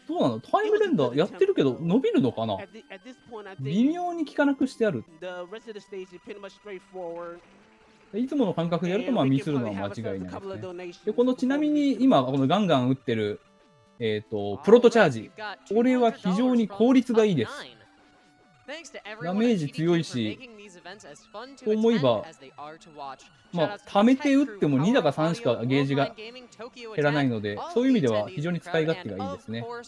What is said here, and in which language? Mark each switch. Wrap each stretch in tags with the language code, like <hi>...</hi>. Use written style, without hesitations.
<ja>どうなの？タイムレンダーやってるけど伸びるのかな？微妙に効かなくしてある。</ja> <en>The rest of the stage is pretty much straightforward.</en> <ja>いつもの感覚でやるとまあミスるのは間違いないですね。でこのちなみに今このガンガン打ってるプロトチャージ、これは非常に効率がいいです。ダメージ強いし、と思えば、まあ溜めて打っても2だか3しかゲージが減らないので、そういう意味では非常に使い勝手がいいですね。</ja>